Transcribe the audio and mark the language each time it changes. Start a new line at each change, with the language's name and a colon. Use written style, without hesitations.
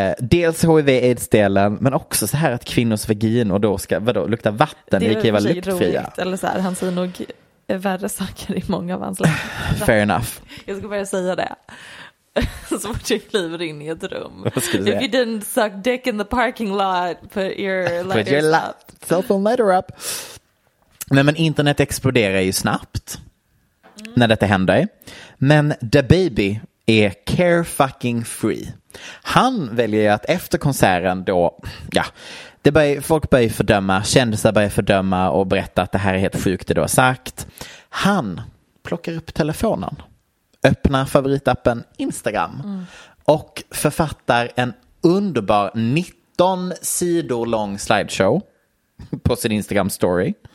Swedish: Dels HIV-AIDS-delen, men också så här att kvinnors vagino då ska, vadå, lukta vatten, vilket var luktfria. Eller så här, han säger nog värre saker i många av hans liv.
English: Fair enough.
Swedish: Jag ska bara säga det. Så fort jag kliver in i ett rum. Vad ska du säga?
English: If you didn't suck dick in the parking lot, put your lighter, put your cell phone lighter up.
Swedish: Nej, men internet exploderar ju snabbt. När detta händer. Men DaBaby är
English: carefucking free.
Swedish: Han väljer att efter konserten då, ja, det börjar, folk börjar fördöma, kändisar börjar fördöma och berätta att det här är helt sjukt det du har sagt. Han plockar upp telefonen, öppnar favoritappen Instagram och författar en underbar 19 sidor lång slideshow på sin Instagram story.